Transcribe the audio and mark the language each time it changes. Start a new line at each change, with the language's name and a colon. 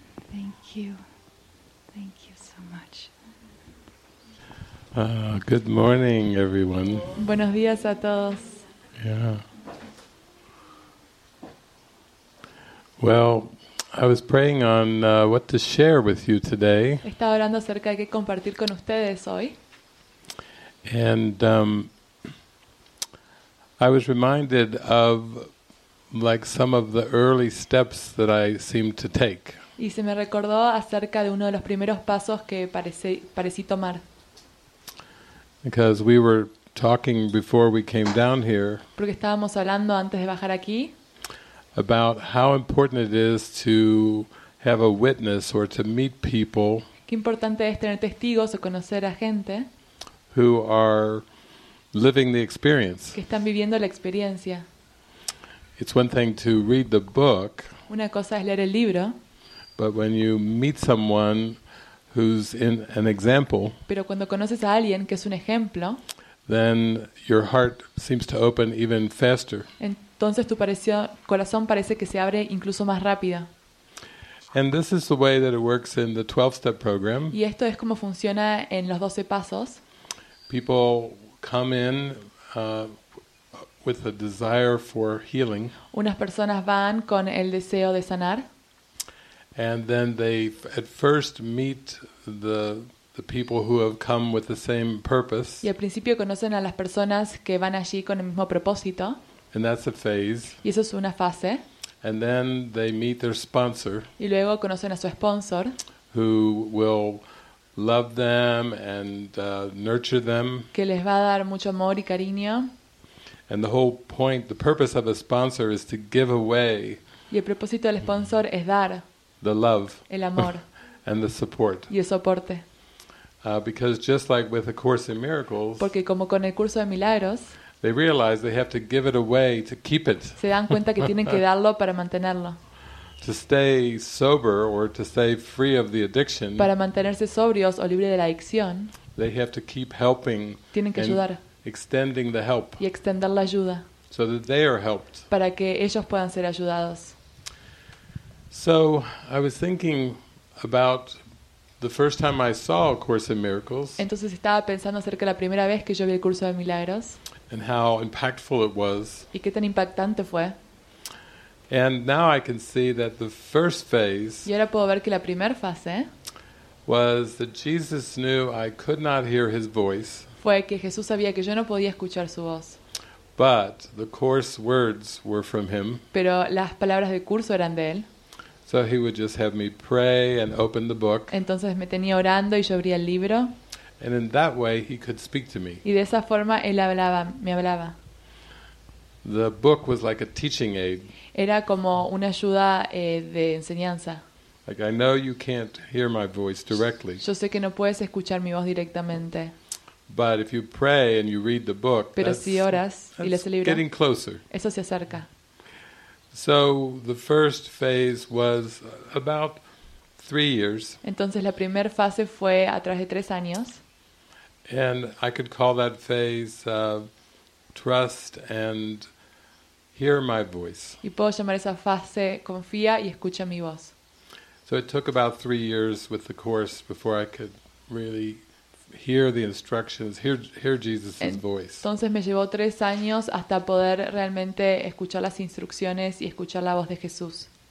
English: Thank you. Thank you so much. Good morning, everyone.
Spanish: Buenos días a todos.
English: Yeah. Well, I was praying on what to share with you today.
Spanish: Estaba orando acerca de qué compartir con ustedes hoy.
English: And I was reminded of like some of the early steps that I seemed to take.
Spanish: Y se me recordó acerca de uno de los primeros pasos que parecí tomar.
English: Because we were talking before we came down here.
Spanish: Porque estábamos hablando antes de bajar aquí.
English: About how important it is to have a witness or to meet people.
Spanish: Qué importante es tener testigos o conocer a gente.
English: Who are living the experience.
Spanish: Que están viviendo la experiencia.
English: It's one thing to read the book.
Spanish: Una cosa es leer el libro.
English: But when you meet someone who's in an example.
Spanish: Pero cuando conoces a alguien que es un ejemplo.
English: Then your heart seems to open even faster.
Spanish: Entonces tu corazón parece que se abre incluso más rápido.
English: And this is the way that it works in the 12-step program.
Spanish: Y esto es como funciona en los 12 pasos.
English: People come in with a desire for healing.
Spanish: Unas personas van con el deseo de sanar.
English: And then they at first meet the people who have come with the same purpose.
Spanish: Y al principio conocen a las personas que van allí con el mismo propósito.
English: And that's a phase.
Spanish: Y eso es una fase.
English: And then they meet their sponsor.
Spanish: Y luego conocen a su sponsor.
English: Who will love them and nurture them.
Spanish: Que les va a dar mucho amor y cariño.
English: And the whole point, the purpose of a sponsor is to give away.
Spanish: Y el propósito del sponsor es dar.
English: The love.
Spanish: El amor.
English: And the support.
Spanish: Y el soporte.
English: Because just like with A Course in Miracles.
Spanish: Porque como con el curso de milagros.
English: They realize they have to give it away to keep it.
Spanish: Se dan cuenta que tienen que darlo para mantenerlo.
English: To stay sober or to stay free of the addiction.
Spanish: Para mantenerse sobrios o libre de la adicción.
English: They have to keep helping.
Spanish: Tienen que ayudar.
English: Extending the help.
Spanish: Y extender la ayuda.
English: So that they are helped.
Spanish: Para que ellos puedan ser ayudados.
English: So I was thinking about the first time I saw A Course in Miracles.
Spanish: Entonces estaba pensando acerca de la primera vez que yo vi el curso de milagros.
English: And how impactful it was.
Spanish: Y qué tan impactante fue.
English: And now I can see that the first phase.
Spanish: Y ahora puedo ver que la primera fase.
English: Was that Jesus knew I could not hear His voice.
Spanish: Fue que Jesús sabía que yo no podía escuchar su voz.
English: But the course words were from Him.
Spanish: Pero las palabras del curso eran de él.
English: So He would just have me pray and open the book.
Spanish: Entonces me tenía orando y yo abría el libro.
English: And in that way, He could speak to me.
Spanish: Y de esa forma él hablaba, me hablaba.
English: The book was like a teaching aid.
Spanish: Era como una ayuda de enseñanza.
English: Like I know you can't hear my voice directly.
Spanish: Yo sé que no puedes escuchar mi voz directamente.
English: But if you pray and you read the book,
Spanish: pero si oras y lees el libro,
English: getting closer.
Spanish: Eso se acerca.
English: So the first phase was about 3 years.
Spanish: Entonces la primera fase fue a través de 3 años.
English: And I could call that phase trust and hear my voice.
Spanish: Y puedo llamar esa fase confía y escucha mi voz.
English: So it took about 3 years with the course before I could really hear the instructions, hear Jesus's voice.
Spanish: Entonces me llevó 3 años hasta poder realmente escuchar las instrucciones y escuchar la voz de Jesús.